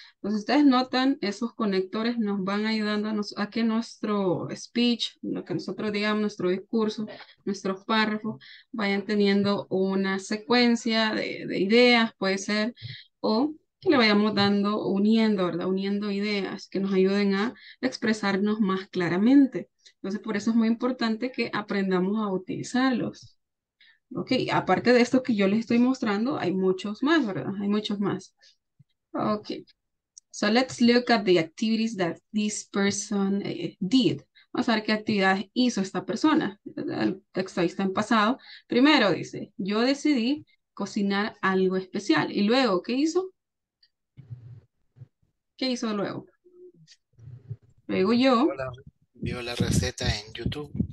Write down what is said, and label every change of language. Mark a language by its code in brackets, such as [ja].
[es] Entonces ustedes notan, esos conectores nos van ayudando a que nuestro speech, lo que nosotros digamos, nuestro discurso, nuestros párrafos, vayan teniendo una secuencia de ideas, puede ser, o que le vayamos dando, uniendo, ¿verdad? Uniendo ideas que nos ayuden a expresarnos más claramente. Entonces, por eso es muy importante que aprendamos a utilizarlos. Ok, aparte de esto que yo les estoy mostrando, hay muchos más, ¿verdad? Hay muchos más. [en] Ok, so let's look at the activities that this person did. [es] Vamos a ver qué actividades hizo esta persona. El texto ahí está en pasado. Primero dice, yo decidí cocinar algo especial. Y luego, ¿qué hizo? ¿Qué hizo luego? Luego yo... Vio la receta en YouTube.